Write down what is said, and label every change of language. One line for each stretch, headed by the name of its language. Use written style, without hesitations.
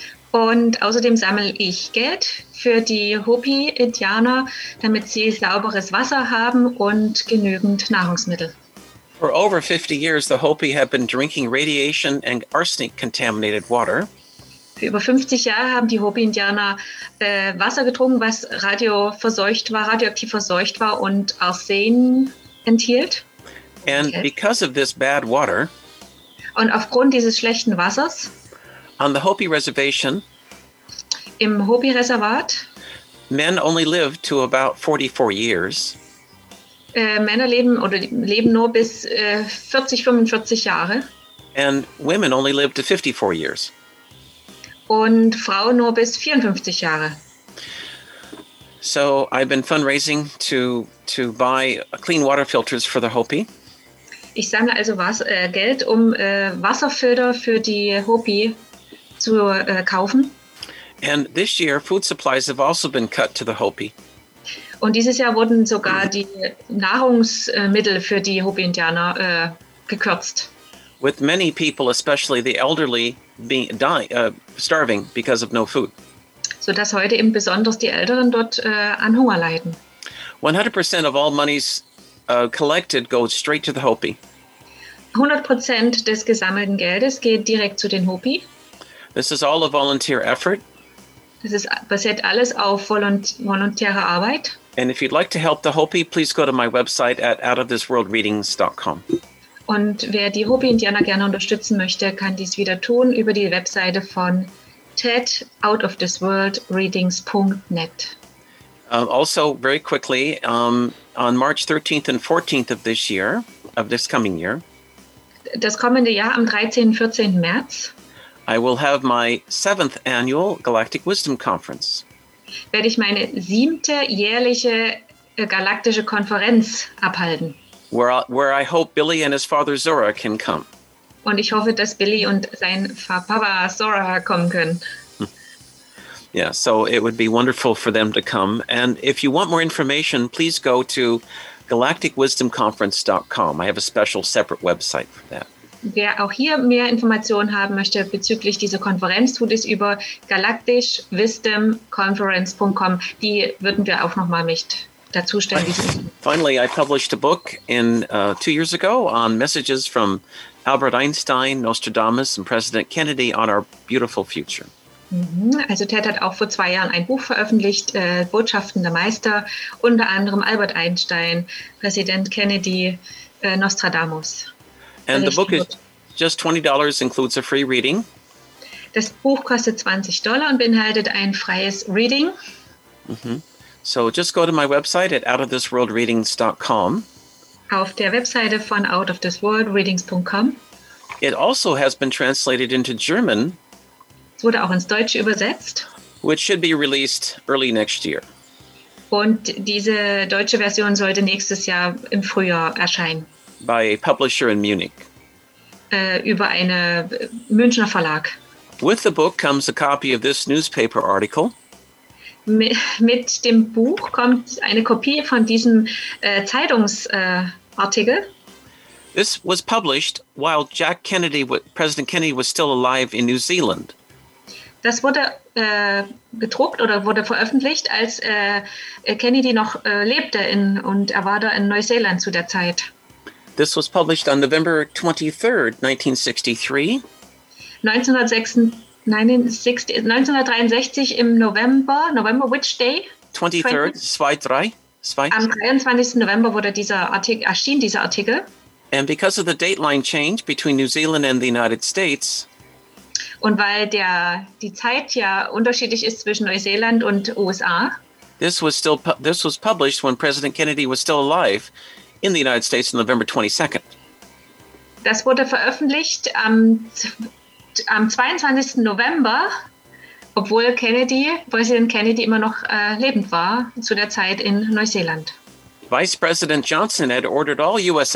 German: Und außerdem sammle ich Geld für die Hopi-Indianer, damit sie sauberes Wasser haben und genügend Nahrungsmittel.
English: For over 50 years, the Hopi have been drinking radiation and arsenic contaminated water.
German: Für über 50 Jahre haben die Hopi-Indianer Wasser getrunken, was radioaktiv verseucht war und Arsen enthielt.
English: And because of this bad water,
German: und aufgrund dieses schlechten Wassers,
English: on the Hopi Reservation,
German: im Hopi-Reservat,
English: men only live to about 44 years.
German: Männer leben nur bis 45 Jahre.
English: And women only live to 54 years.
German: Und Frauen nur bis 54 Jahre.
English: So I've been fundraising to buy clean water filters for the Hopi.
German: Ich sammle also Geld, um Wasserfilter für die Hopi zu kaufen.
English: And this year, food supplies have also been cut to the Hopi.
German: Und dieses Jahr wurden sogar die Nahrungsmittel für die Hopi-Indianer gekürzt.
English: With many people, especially the elderly, starving because of no food.
German: So dass heute eben besonders die Älteren dort an Hunger leiden.
English: 100% of all monies collected goes straight to the Hopi.
German: 100% des gesammelten Geldes geht direkt zu den Hopi.
English: This is all a volunteer effort.
German: Das ist basiert alles auf volontärer Arbeit.
English: And if you'd like to help the Hopi, please go to my website at outofthisworldreadings.com.
German: Und wer die Hopi-Indianer gerne unterstützen möchte, kann dies wieder tun über die Webseite von Ted, outofthisworldreadings.net.
English: Also, very quickly, on March 13th and 14th of this year, of this coming year,
German: das kommende Jahr am 13. und 14. März,
English: I will have my 7th annual Galactic Wisdom Conference.
German: Werde ich meine 7. jährliche galaktische Konferenz abhalten.
English: Where I hope Billy and his father Zora can come.
German: Und ich hoffe, dass Billy und sein Papa Zora kommen können.
English: Yeah, so it would be wonderful for them to come. And if you want more information, please go to galacticwisdomconference.com. I have a special separate website for that.
German: Wer auch hier mehr Informationen haben möchte bezüglich dieser Konferenz, tut es über galaktischwisdomconference.com. Die würden wir auch nochmal mit dazu stellen.
English: Finally, I published a book in 2 years ago on messages from Albert Einstein, Nostradamus and President Kennedy on our beautiful future.
German: Also Ted hat auch vor 2 Jahren ein Buch veröffentlicht, Botschaften der Meister, unter anderem Albert Einstein, Präsident Kennedy, Nostradamus.
English: And the book is just $20, includes a free reading.
German: Das Buch kostet $20 und beinhaltet ein freies Reading. Mm-hmm.
English: So just go to my website at outofthisworldreadings.com.
German: Auf der Webseite von outofthisworldreadings.com.
English: It also has been translated into German.
German: Es wurde auch ins Deutsche übersetzt.
English: Which should be released early next year.
German: Und diese deutsche Version sollte nächstes Jahr im Frühjahr erscheinen.
English: By a publisher in Munich.
German: Über eine Münchner Verlag.
English: With the book comes a copy of this newspaper article.
German: Mit dem Buch kommt eine Kopie von diesem Zeitungsartikel.
English: This was published while Jack Kennedy, President Kennedy, was still alive in New Zealand.
German: Das wurde gedruckt oder wurde veröffentlicht, als Kennedy noch lebte und er war da in Neuseeland zu der Zeit.
English: This was published on November 23, 1963.
German: 1963 im November.
English: November, which day?
German: 23. Am 23. November wurde erschien dieser Artikel.
English: And because of the dateline change between New Zealand and the United States.
German: Und weil die Zeit ja unterschiedlich ist zwischen Neuseeland und USA.
English: This was published when President Kennedy was still alive in the United States on November 22nd.
German: Das wurde veröffentlicht am 22. November, obwohl Präsident Kennedy immer noch lebend war zu der Zeit in Neuseeland.
English: Vice President Johnson had ordered all U.S.